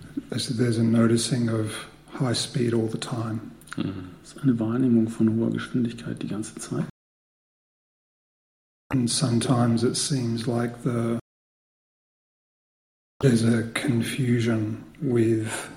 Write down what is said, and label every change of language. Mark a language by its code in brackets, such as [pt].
[en] There's a noticing of high speed all the time. [de] Es ist eine Wahrnehmung von hoher Geschwindigkeit die ganze Zeit. [en] And sometimes it seems like there's a confusion with